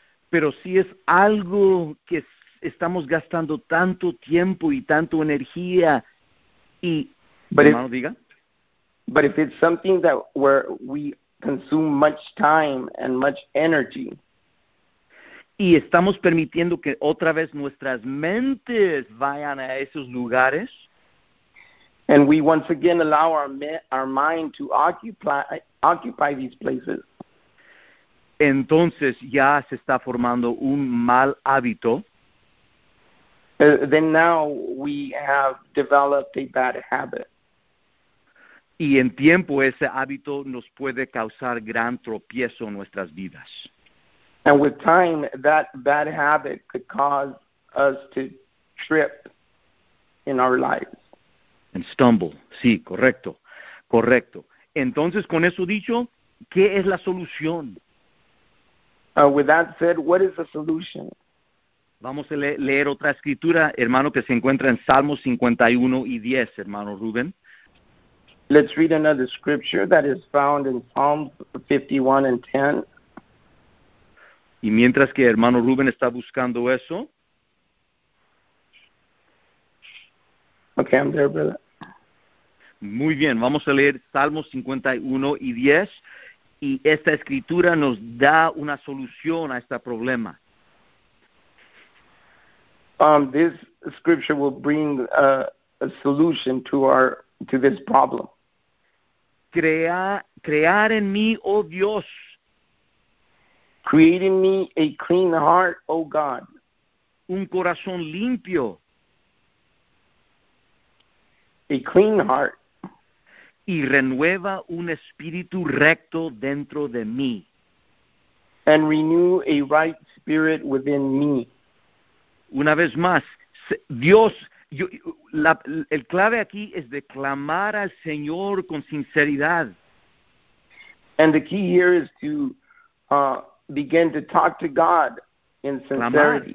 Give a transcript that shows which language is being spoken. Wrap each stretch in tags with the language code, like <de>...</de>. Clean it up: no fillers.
<es>Pero si es algo que estamos gastando tanto tiempo y tanto energía y,</es> <en>but</en> <es>hermano,</es> <en>if,</en> <es>diga.</es> <en>But if it's something that where we consume much time and much energy,</en> <es>y estamos permitiendo que otra vez nuestras mentes vayan a esos lugares,</es> <en>and we once again allow our mind to occupy these places,</en> <es>entonces ya se está formando un mal hábito.</es> <en>Then now we have developed a bad habit.</en> <es>Y en tiempo ese hábito nos puede causar gran tropiezo en nuestras vidas.</es> <en>And with time, that bad habit could cause us to trip in our lives. And stumble.</en> <es>Sí, correcto. Correcto. Entonces, con eso dicho, ¿qué es la solución?</es> <en>With that said, what is the solution?</en> <es>Vamos a leer otra escritura, hermano, que se encuentra en Salmos 51 y 10, hermano Rubén.</es> <en>Let's read another scripture that is found in Psalms 51 and 10.</en> <es>Y mientras que hermano Rubén está buscando eso.</es> <en>Okay, I'm there, brother.</en> <es>Muy bien, vamos a leer Salmos 51 y 10. Y esta escritura nos da una solución a este problema.</es> <en>This scripture will bring a solution to this problem.</en> <es>Crear en mí, oh Dios.</es> <en>Create in me a clean heart, O God.</en> <es>Un corazón limpio.</es> <en>A clean heart.</en> <es>Y renueva un espíritu recto dentro de mí.</es> <en>And renew a right spirit within me.</en> <es>Una vez más, Dios, el clave aquí es de clamar al Señor con sinceridad.</es> <en>And the key here is to begin to talk to God in sincerity.</en>